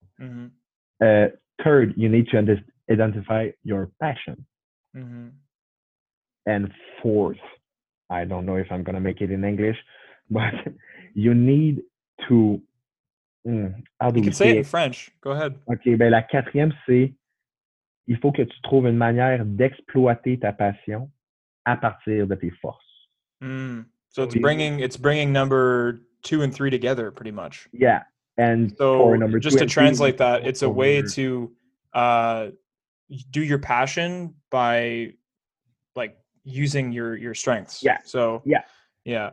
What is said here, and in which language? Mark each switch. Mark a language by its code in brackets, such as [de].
[en] Mm-hmm. Third, you need to identify your passion. Mm-hmm. And fourth, I don't know if I'm going to make it in English, but you need to... You can say it in French. Go ahead. [fr] Okay, la quatrième, c'est... Il faut que tu trouves une manière d'exploiter ta passion à partir de tes forces. Mm. [en] So it's bringing number two and three together, pretty much. Yeah. And so number just to translate that, it's a way to do your passion by like using your strengths. Yeah.